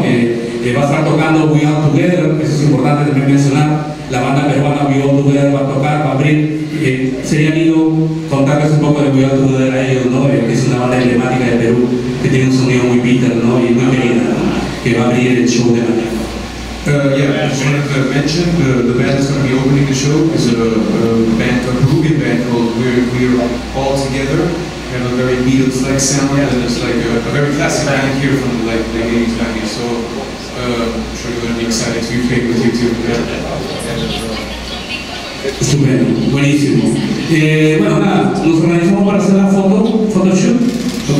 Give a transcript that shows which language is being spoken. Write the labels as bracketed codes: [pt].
[es] Va a estar tocando We Are Together, eso es importante también mencionar, la banda peruana We Are Together va a tocar, va a abrir. Sería lindo contarles un poco de We Are Together a ellos, ¿no? Que es una banda emblemática de Perú, que tiene un sonido muy bitter, ¿no? Y muy querida, ¿no? Que va a abrir el show de mañana. [en] I wanted to mention the band that's going to be opening the show is a Peruvian band called We're All Together. We have a very Beatles-like sound, yeah. And it's like a very classic band here from the 80s, 90s. So I'm sure you're going to be excited to be playing with you too. [es] Super, buenísimo. Bueno, nada, nos organizamos para hacer la foto, photoshoot, ¿ok?